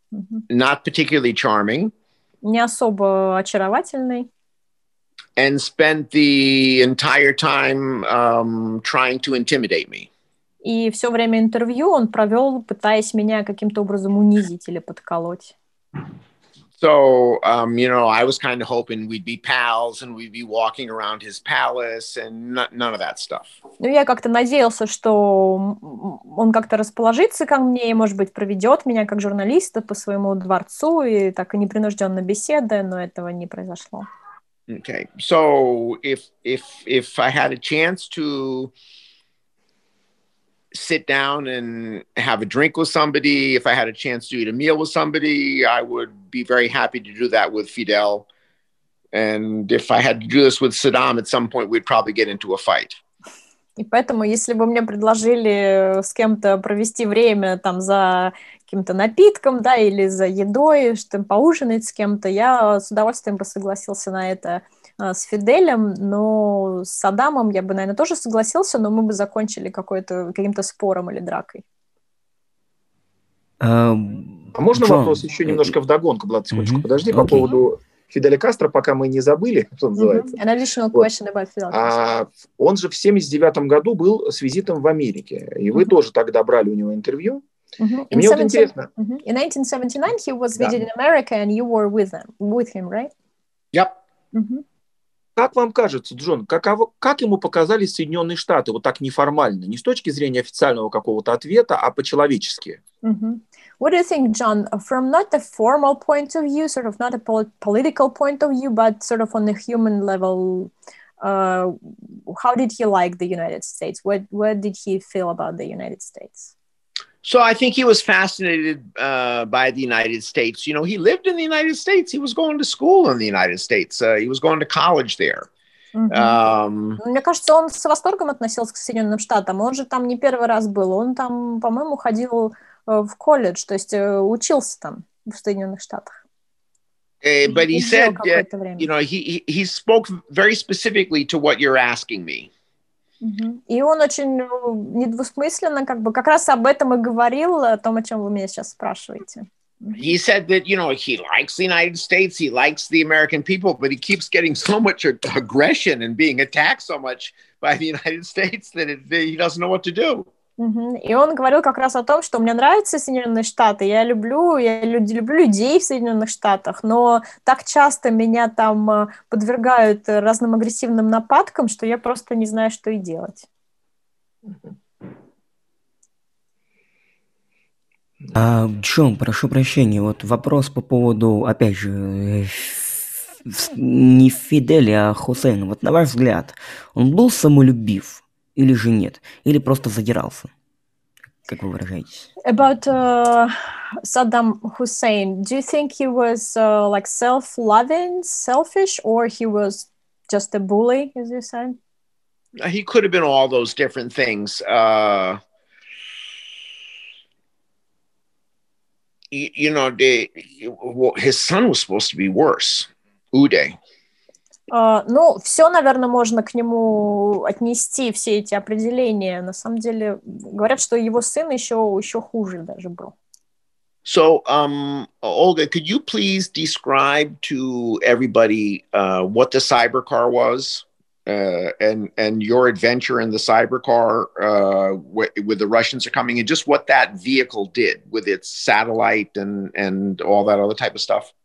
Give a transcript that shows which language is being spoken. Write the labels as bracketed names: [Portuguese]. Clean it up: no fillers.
[English] Not particularly charming. [Russian] Не особо очаровательный. [English] And spent the entire time trying to intimidate me. [Russian] И все время интервью он провел, пытаясь меня каким-то образом унизить или подколоть. [English] So, you know, I was kind of hoping we'd be pals and we'd be walking around his palace and none of that stuff. [Russian] Ну, я как-то надеялся, что он как-то расположится ко мне и, может быть, проведет меня как журналиста по своему дворцу и так и непринужденно беседуя, но этого не произошло. [English] Okay, so if I had a chance to sit down and have a drink with somebody, if I had a chance to eat a meal with somebody, I would be very happy to do that with Fidel. And if I had to do this with Saddam, at some point we'd probably get into a fight. [Russian] И поэтому, если бы мне предложили с кем-то провести время там за каким-то напитком, да, или за едой, чтобы поужинать с кем-то, я с удовольствием бы согласился на это с Фиделем, но с Саддамом я бы, наверное, тоже согласился, но мы бы закончили каким-то спором или дракой. А можно Джон, вопрос еще немножко вдогонку, Влад, секундочку, подожди, по поводу Фиделя Кастро, пока мы не забыли, что называется. [English] An additional question about Fidel Castro. [Russian] Он же в 79-м году был с визитом в Америке, и вы тоже тогда брали у него интервью. Мне вот интересно. [English] In 1979 he was visiting America, and you were with him, right? Yep. [Russian] Как вам кажется, Джон, как ему показались Соединенные Штаты, вот так неформально, не с точки зрения официального какого-то ответа, а по-человечески? [English] What do you think, John, from not the formal point of view, sort of not a political point of view, but sort of on the human level, How did he like the United States? What did he feel about the United States? So I think he was fascinated by the United States. You know, he lived in the United States. He was going to school in the United States. He was going to college there. Mm-hmm. [Russian] Мне кажется, он с восторгом относился к Соединенным Штатам. Он же там не первый раз был. Он там, по-моему, ходил в колледж, то есть учился там в Соединенных Штатах. [English] But he said, you know, he spoke very specifically to what you're asking me. [Russian] Mm-hmm. И он очень недвусмысленно как бы как раз об этом и говорил, о том, о чем вы меня сейчас спрашиваете. [English] He said that, you know, he likes the United States, he likes the American people, but he keeps getting so much aggression and being attacked so much by the United States that he doesn't know what to do. Mm-hmm. [Russian] И он говорил как раз о том, что мне нравятся Соединенные Штаты, я люблю людей в Соединенных Штатах, но так часто меня там подвергают разным агрессивным нападкам, что я просто не знаю, что и делать. А, Джон, прошу прощения, вот вопрос по поводу, опять же, не Фиделя, а Хусейна. Вот на ваш взгляд, он был самолюбив или же нет? Или просто задирался, как вы выражаетесь? [English] About Saddam Hussein, do you think he was like self-loving, selfish, or he was just a bully, as you said? He could have been all those different things. You know, his son was supposed to be worse, Uday. [Russian] Ну, все, наверное, можно к нему отнести, все эти определения. На самом деле, говорят, что его сын еще хуже даже был. [English] So, Olga, could you please describe to everybody what the cybercar was and your adventure in the cybercar with the Russians are coming and just what that vehicle did with its satellite and all that other type of stuff?